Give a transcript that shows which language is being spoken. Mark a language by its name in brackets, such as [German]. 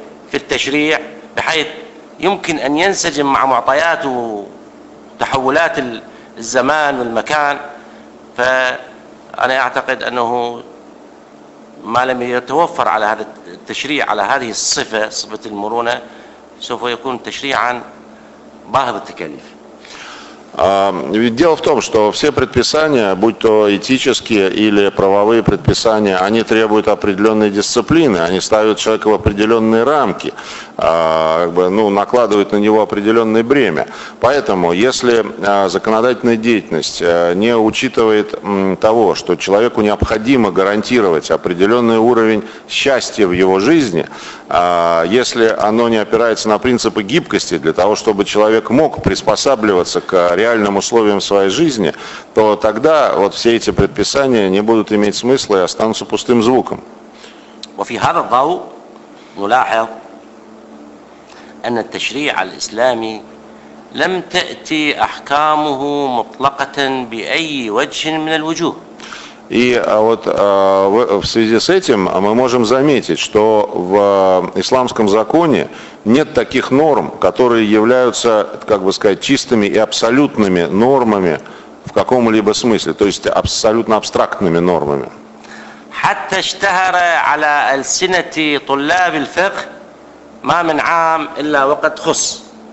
[Arabic] في التشريع بحيث يمكن أن ينسجم مع معطيات وتحولات الزمان والمكان فأنا أعتقد أنه ما لم يتوفر على هذا التشريع على هذه الصفة صفة المرونة سوف يكون تشريعا باهظ التكاليف. [Russian] Дело в том, что все предписания, будь то этические или правовые предписания, они требуют определенной дисциплины, они ставят человека в определенные рамки, как бы, ну, накладывают на него определенное бремя. Поэтому, если законодательная деятельность не учитывает того, что человеку необходимо гарантировать определенный уровень счастья в его жизни, если оно не опирается на принципы гибкости для того, чтобы человек мог приспосабливаться к реальным условиям своей жизни, то тогда вот все эти предписания не будут иметь смысла и останутся пустым звуком. [Arabic] وفي هذا الضوء نلاحظ أن التشريع الإسلامي لم تأتي أحكامه مطلقة بأي وجه من الوجوه. [Russian] И вот в связи с этим мы можем заметить, что в исламском законе нет таких норм, которые являются, как бы сказать, чистыми и абсолютными нормами в каком-либо смысле, то есть абсолютно абстрактными нормами. [Arabic] حتى اشتهر على ألسنة طلاب الفقه ما من عام إلا وقد خص.